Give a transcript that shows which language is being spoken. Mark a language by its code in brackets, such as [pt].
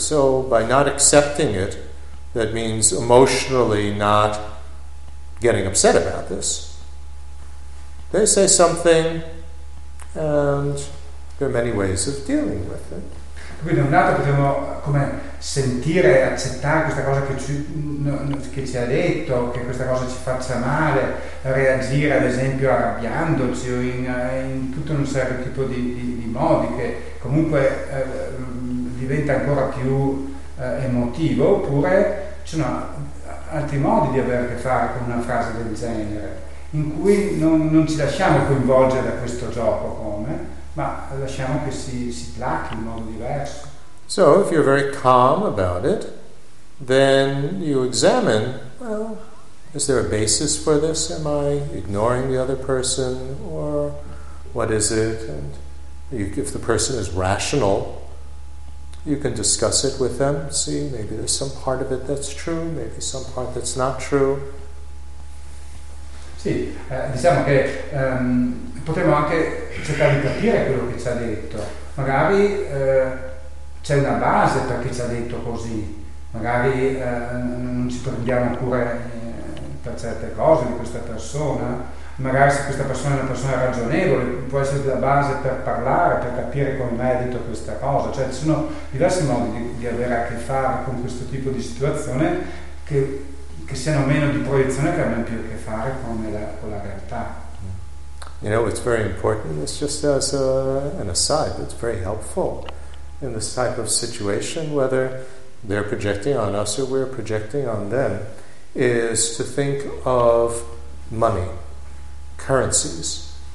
[en] So by not accepting it, that means emotionally not getting upset about this. They say something, and there are many ways of dealing with it. [it] Quindi da un lato potremmo come sentire e accettare questa cosa che ci ha detto, che questa cosa ci faccia male, reagire ad esempio arrabbiandoci o in tutto un certo tipo di modi che comunque diventa ancora più emotivo, oppure ci sono altri modi di avere a che fare con una frase del genere, in cui non ci lasciamo coinvolgere da questo gioco come, ma lasciamo che si placchi in modo diverso. [en] So, if you're very calm about it, then you examine, well, is there a basis for this? Am I ignoring the other person? Or what is it? And if the person is rational, you can discuss it with them. See, maybe there's some part of it that's true, maybe some part that's not true. [it] Sì, diciamo che potremmo anche cercare di capire quello che ci ha detto. Magari c'è una base perché ci ha detto così. Magari non ci prendiamo cura per certe cose di questa persona. Magari se questa persona è una persona ragionevole, può essere la base per parlare, per capire come mai ha detto questa cosa. Cioè ci sono diversi modi di avere a che fare con questo tipo di situazione che siano meno di proiezione, che abbiano più a che fare con la realtà. [en] You know, it's very important, it's just as an aside, it's very helpful in this type of situation, whether they're projecting on us or we're projecting on them, is to think of money, currencies.